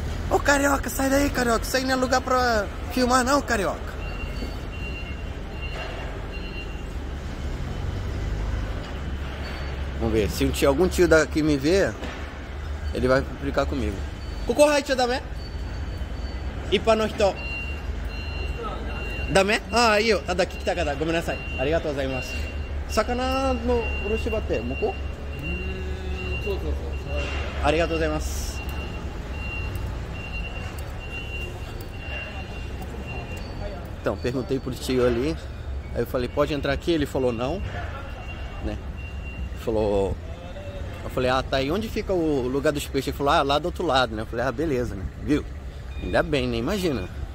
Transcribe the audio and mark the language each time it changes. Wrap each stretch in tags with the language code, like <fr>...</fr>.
<pt>Ô, carioca, sai daí, carioca, isso aí não é lugar pra filmar não, carioca. Vamos ver, se algum tio daqui me ver, ele vai brincar comigo. Cucurraite da mãe.</pt> <ja>一般の人ダメ？ああいいよ、ただ聞きたかった、ごめんなさい、ありがとうございます。魚の卸し場って向こう？そうそうそう、ありがとうございます。</ja> <pt>Então, perguntei pro tio ali, aí eu falei, pode entrar aqui? Ele falou, não, né? Falou, eu falei, ah, tá aí, onde fica o lugar dos peixes? Ele falou, ah, lá do outro lado, né? Eu falei, ah, beleza, né? Viu? Ainda bem, né? Imagina.</pt>